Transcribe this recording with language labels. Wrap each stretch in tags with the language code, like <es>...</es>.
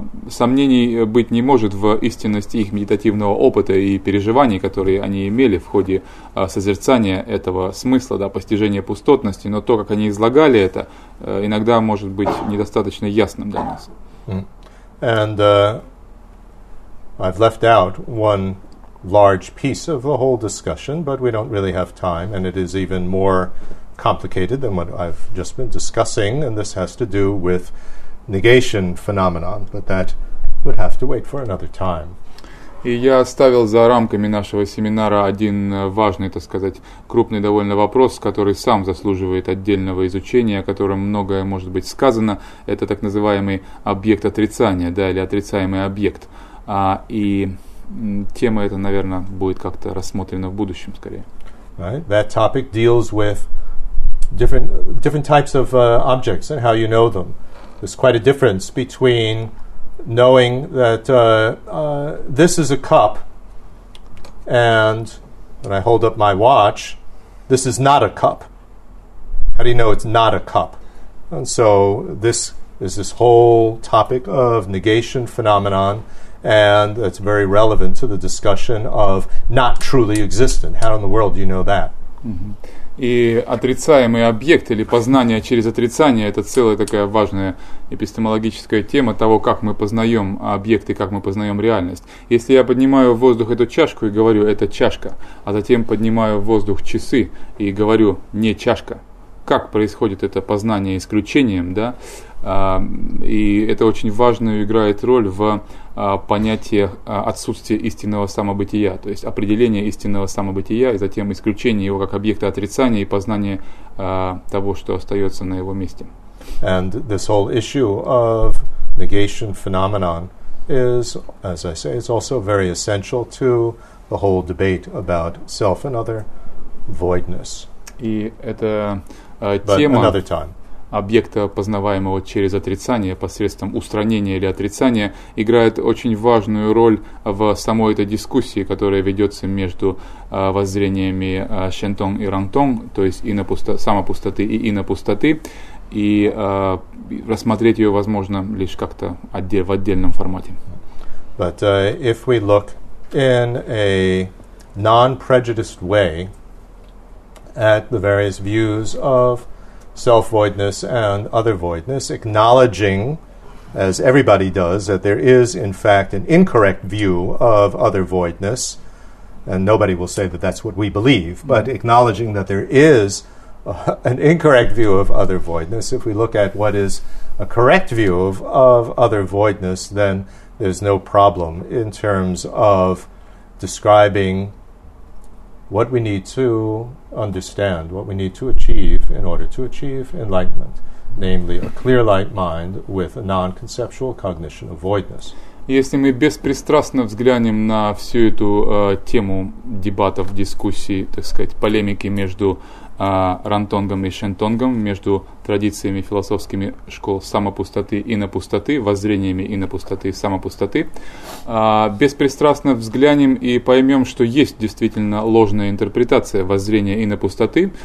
<ru>Сомнений быть не может в истинности их медитативного опыта и переживаний, которые они имели в ходе созерцания этого смысла, да, постижения пустотности, но то, как они излагали это, иногда может быть недостаточно ясным для нас.</ru> <en>And I've left out one large piece of the whole discussion, but we don't really have time, and it is even more complicated than what I've just been discussing, and this has to do with negation phenomenon, but that would have to wait for another time.</en> <ru>И я оставил за рамками нашего семинара один важный, так сказать, крупный довольно вопрос, который сам заслуживает отдельного изучения, о котором многое может быть сказано. Это так называемый объект отрицания, да, или отрицаемый объект. И тема эта, наверное, будет как-то рассмотрена в будущем скорее.</ru> <en>Right? That topic deals with different types of objects and how you know them. There's quite a difference between knowing that this is a cup, and when I hold up my watch, this is not a cup. How do you know it's not a cup? And so this is this whole topic of negation phenomenon, and it's very relevant to the discussion of not truly existent. How in the world do you know that?</en> <ru>И отрицаемый объект или познание через отрицание – это целая такая важная эпистемологическая тема того, как мы познаем объект и как мы познаем реальность. Если я поднимаю в воздух эту чашку и говорю «это чашка», а затем поднимаю в воздух часы и говорю «не чашка», как происходит это познание исключением, да? И это очень важную играет роль в понятии отсутствия истинного самобытия, то есть определение истинного самобытия и затем исключение его как объекта отрицания и познание того, что остается на его месте.</ru> <en>And this whole issue of negation phenomenon is, as I say, it's also very essential to the whole debate about self and other voidness.</en> <ru>И это тема</ru> <en>another time.</en> <ru>Объекта, познаваемого через отрицание, посредством устранения или отрицания, играет очень важную роль в самой этой дискуссии, которая ведется между воззрениями Шентон и Рантон, то есть самопустоты и инопустоты, и рассмотреть ее, возможно, лишь как-то в отдельном формате.</ru> <en>But if we look in a non-prejudiced way at the various views of self-voidness and other voidness, acknowledging, as everybody does, that there is, in fact, an incorrect view of other voidness, and nobody will say that that's what we believe, but acknowledging that there is an incorrect view of other voidness, if we look at what is a correct view of other voidness, then there's no problem in terms of describing what we need to understand, what we need to achieve in order to achieve enlightenment, namely a clear light mind with a non-conceptual cognition of voidness.</en> <ru>Если мы беспристрастно взглянем на всю эту тему дебатов, дискуссий, так сказать, полемики между Рантонгом и Шентонгом, между традициями философскими школ самопустоты и инопустоты, воззрениями инопустоты и самопустоты, беспристрастно взглянем и поймем, что есть действительно ложная интерпретация воззрения инопустоты.</ru>